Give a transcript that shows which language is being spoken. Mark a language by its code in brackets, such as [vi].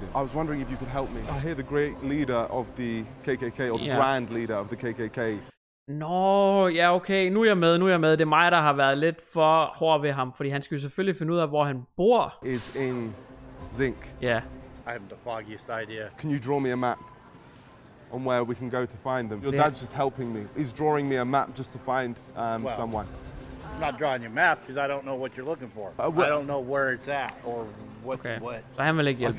[en] I was wondering if you could help me. I hear the great leader of the KKK or the grand leader of the KKK. [da] Nå, ja okay. Nu er jeg med. Det er mig der har været lidt for hård ved ham, fordi han skal jo selvfølgelig finde ud af hvor han bor. [en] Is in Zinc. Yeah. I have the foggiest idea. Can you draw me a map on where we can go to find them? Your dad's just helping me. He's drawing me a map just to find someone. I'm not drawing your map because I don't know what you're looking for. I don't know where it's at or what. I haven't like yet.